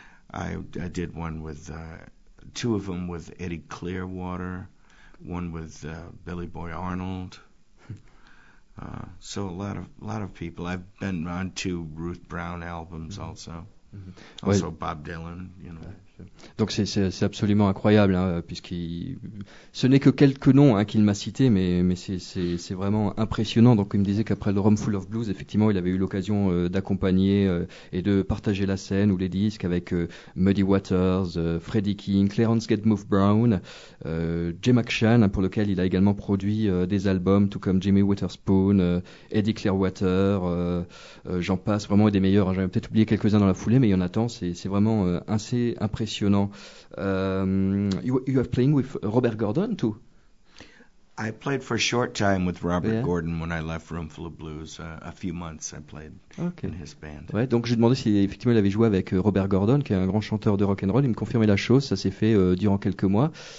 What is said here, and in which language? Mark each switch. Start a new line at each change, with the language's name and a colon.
English: I did one with 2 of them with Eddie Clearwater, one with Billy Boy Arnold. So a lot of people. I've been on 2 Ruth Brown albums also. Mm-hmm. Also, ouais. Bob Dylan, you know.
French: Donc c'est absolument incroyable, hein, puisque ce n'est que quelques noms, hein, qu'il m'a cités, mais c'est vraiment impressionnant. Donc il me disait qu'après le Room Full of Blues, effectivement, il avait eu l'occasion d'accompagner et de partager la scène ou les disques avec Muddy Waters, Freddie King, Clarence Gedmove Brown, Jay McShane, pour lequel il a également produit des albums, tout comme Jimmy Witherspoon, Eddie Clearwater, j'en passe, vraiment des meilleurs. Hein, j'avais peut-être oublié quelques-uns dans la foulée, mais il y en a tant, c'est vraiment assez impressionnant.
English: You are playing with Robert Gordon too. I played for a short time with Robert Gordon when I left Room Full of Blues. A few months I played in his band.
French: Ouais, donc j'ai demandé si effectivement il avait joué avec Robert Gordon, qui est un grand chanteur de rock and roll. Il me confirmait la chose. Ça s'est fait durant quelques mois.